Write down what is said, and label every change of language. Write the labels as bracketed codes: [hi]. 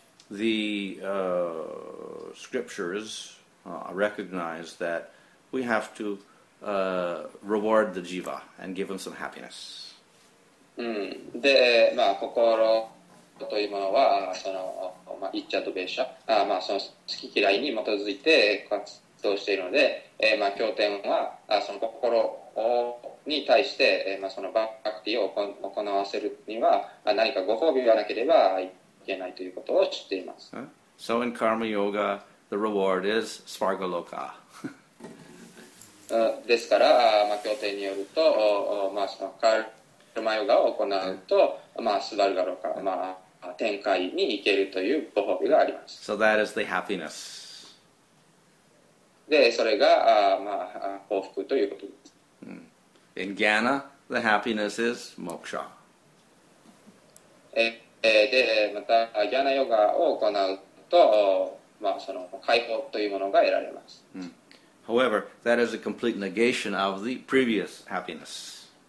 [en] The scriptures recognize that we have toreward the jiva and give him some happiness. [ja] で、まあ、心というものは、その、まあ、イッチャとベーシャ、まあ、その好き嫌いに基づいて活動しているので、まあ、経典は、その心に対して、まあ、そのバクティを行わせるには、何かご褒美がなければいけないということを知っています。 [en] So in karma yoga, the reward is svarga loka. [ja] ですから、まあ、経典によると、まあ、そのカルマヨガを行うと、まあ、スバルガロカ、まあ、天界に行けるというご褒美があります。 [en] So that is the happiness. [ja] で、それが、まあ、幸福ということです。 [en] In Ghana, the happiness is moksha. [ja] で、また、ギャナヨガを行うと、まあ、その解放というものが得られます。 [en] However, that is a complete negation of the previous happiness.